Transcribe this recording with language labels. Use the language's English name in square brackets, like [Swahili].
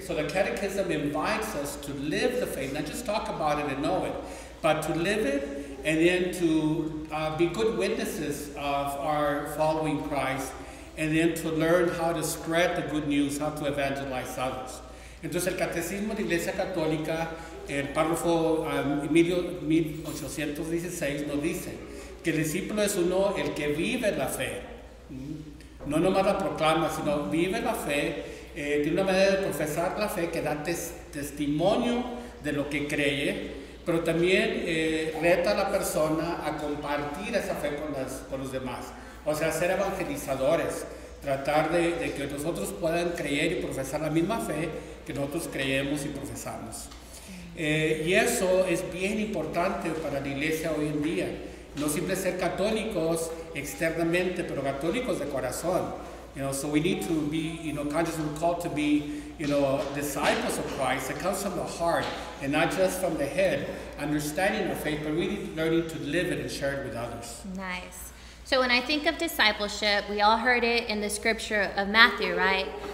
[English] So the Catechism invites us to live the faith, not just talk about it and know it, but to live it, and then to be good witnesses of our following Christ, and then to learn how to spread the good news, how to evangelize others. [Spanish] Entonces el Catecismo de Iglesia Católica, el párrafo 1816, nos dice que el discípulo es uno el que vive la fe. No nomás la proclama, sino vive la fe, tiene una manera de profesar la fe que da testimonio de lo que cree, pero también reta a la persona a compartir esa fe con los demás. O sea, ser evangelizadores, tratar de que los otros puedan creer y profesar la misma fe que nosotros creemos y profesamos. Y eso es bien importante para la iglesia hoy en día. No simple ser católicos externamente, pero católicos de corazón. [English] You know, so we need to be, you know, conscious and called to be, you know, disciples of Christ that comes from the heart and not just from the head, understanding our faith, but really learning to live it and share it with others. Nice. So when I think of discipleship, we all heard it in the scripture of Matthew, right?